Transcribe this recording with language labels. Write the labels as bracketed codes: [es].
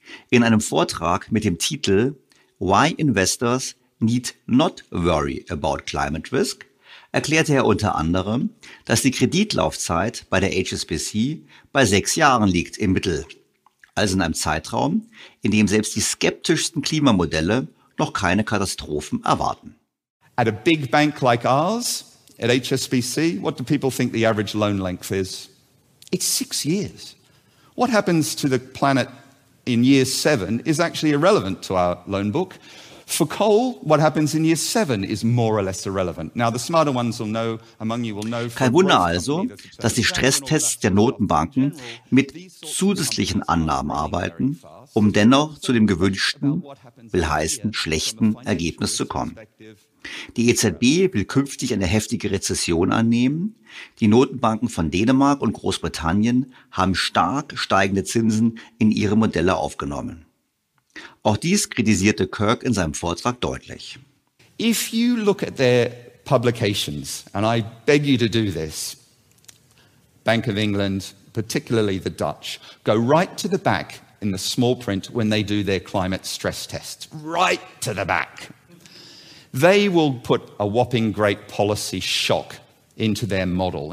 [de] In einem Vortrag mit dem Titel »Why Investors Need Not Worry About Climate Risk« erklärte er unter anderem, dass die Kreditlaufzeit bei der HSBC bei 6 Jahren liegt im Mittel, also in einem Zeitraum, in dem selbst die skeptischsten Klimamodelle noch keine Katastrophen erwarten. [en] At a big bank like ours, at HSBC, what do people think the average loan length is? It's 6 years. What happens to the planet in year 7 is actually irrelevant to our loan book. For coal, what happens in year 7 is more or less irrelevant. Now the smarter ones will know, among you will know. [de] Kein Wunder also, dass die Stresstests der Notenbanken mit zusätzlichen Annahmen arbeiten, um dennoch zu dem gewünschten, will heißen schlechten Ergebnis zu kommen. Die EZB will künftig eine heftige Rezession annehmen. Die Notenbanken von Dänemark und Großbritannien haben stark steigende Zinsen in ihre Modelle aufgenommen. Auch dies kritisierte Kirk in seinem Vortrag deutlich. [en] If you look at their publications, and I beg you to do this, Bank of England, particularly the Dutch, go right to the back in the small print when they do their climate stress tests. Right to the back. They will put a whopping great policy shock into their model.